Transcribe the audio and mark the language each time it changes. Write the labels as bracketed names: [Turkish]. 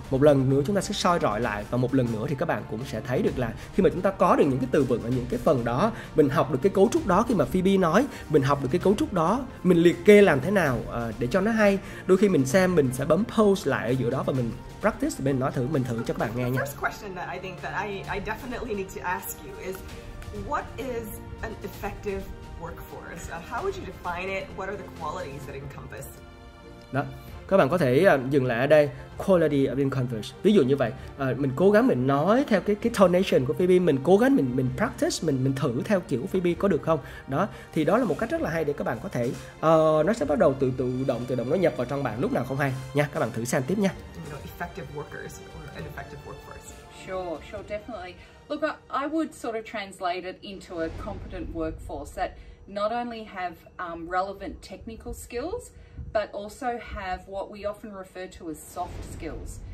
[Vietnamese] Một lần nữa chúng ta sẽ soi rọi lại, và một lần nữa thì các bạn cũng sẽ thấy được là khi mà chúng ta có được những cái từ vựng ở những cái phần đó, mình học được cái cấu trúc đó khi mà Phoebe nói, mình học được cái cấu trúc đó, mình liệt kê làm thế nào để cho nó hay. Đôi khi mình xem, mình sẽ bấm pause lại ở giữa đó và mình practice, mình nói thử, mình thử cho các bạn nghe nhé. [English] First question that I think that I definitely need to ask you is, what is an effective workforce. How would you define it? What are the qualities that encompass? [Vietnamese] Đó. Các bạn có thể dừng lại ở đây, [English] quality of being converse. [Vietnamese] Ví dụ như vậy, mình cố gắng mình nói theo cái tonation của Phoebe, mình cố gắng mình practice, mình thử theo kiểu Phoebe có được không? Đó, thì đó là một cách rất là hay để các bạn có thể nó sẽ bắt đầu tự động nó nhập vào trong bạn lúc nào không hay nha. Các bạn thử xem tiếp nha. [English] You know, effective workers or an effective workforce. Sure, definitely. Look, I would sort of translate it into a competent workforce that not only have relevant technical skills, but also have what we often refer to as soft skills.